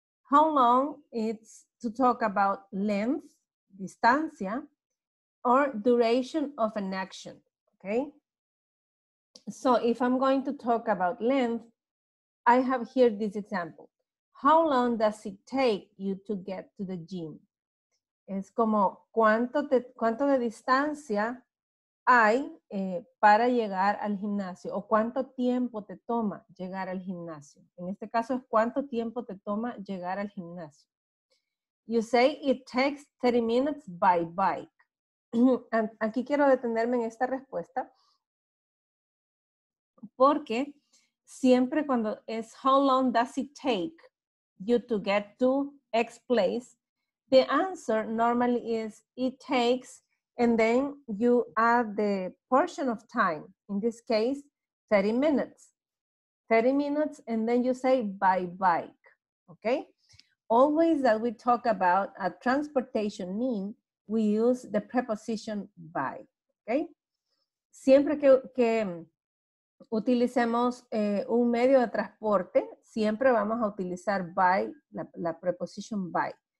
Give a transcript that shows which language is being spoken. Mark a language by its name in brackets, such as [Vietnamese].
[English] How long it's to talk about length, distancia, or duration of an action, okay? So if I'm going to talk about length, I have here this example. How long does it take you to get to the gym? [Spanish] Es como, ¿cuánto de distancia hay para llegar al gimnasio? ¿O cuánto tiempo te toma llegar al gimnasio? En este caso, es ¿cuánto tiempo te toma llegar al gimnasio? [English] You say, it takes 30 minutes by bike. [Spanish] Aquí quiero detenerme en esta respuesta. Porque siempre cuando es, [English] how long does it take you to get to X place? The answer normally is it takes, and then you add the portion of time. In this case, 30 minutes. 30 minutes, and then you say by bike, okay? Always that we talk about a transportation mean, we use the preposition by, okay? [Spanish] Siempre que utilicemos un medio de transporte, siempre vamos a utilizar by, la preposición by.